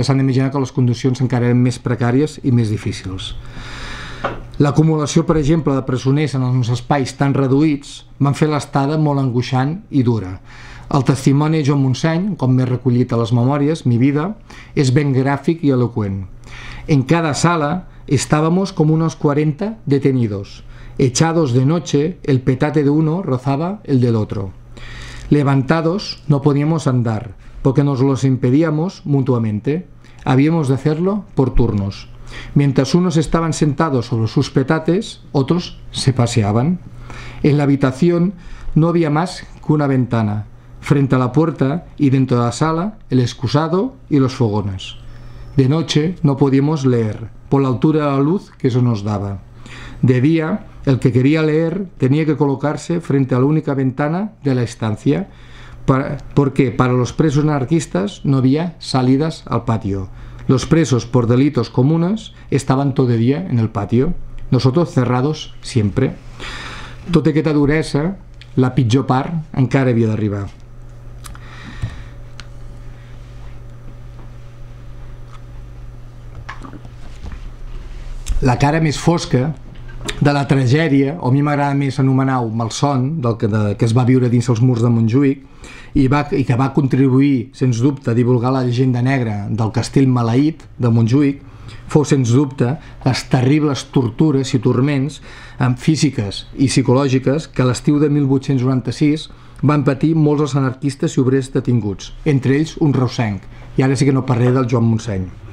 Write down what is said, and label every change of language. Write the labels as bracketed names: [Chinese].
[Catalan] Ja s'han d'imaginar que les condicions encara eren més precàries i més difícils. L'acumulació, per exemple, de presoners en els espais tan reduïts van fer l'estada molt angoixant i dura. El testimoni de Joan Montseny, com m'he recollit a les memòries, Mi vida, és ben gràfic i eloqüent. [Spanish] En cada sala estábamos como unos 40 detenidos. Echados de noche, el petate de uno rozaba el del otro. Levantados, no podíamos andar, porque nos los impedíamos mutuamente. Habíamos de hacerlo por turnos. Mientras unos estaban sentados sobre sus petates, otros se paseaban. En la habitación no había más que una ventana. Frente a la puerta y dentro de la sala, el excusado y los fogones. De noche no podíamos leer, por la altura de la luz que eso nos daba. De día, el que quería leer tenía que colocarse frente a la única ventana de la estancia, porque para los presos anarquistas no había salidas al patio. Los presos por delitos comunes estaban todo el día en el patio, nosotros cerrados siempre. [Catalan] Tota aquesta duresa, la pitjor part, encara havia d'arribar. La cara més fosca de la tragèdia, o a mi m'agrada més anomenar-ho malson, que es va viure dins els murs de Montjuïc, i que va contribuir, sens dubte, a divulgar la llegenda negra del castell maleït de Montjuïc, fou, sens dubte, les terribles tortures i turments físiques i psicològiques que a l'estiu de 1896 van patir molts dels anarquistes i obrers detinguts, entre ells un reusenc, i ara sí que no parlaré del Joan Montseny.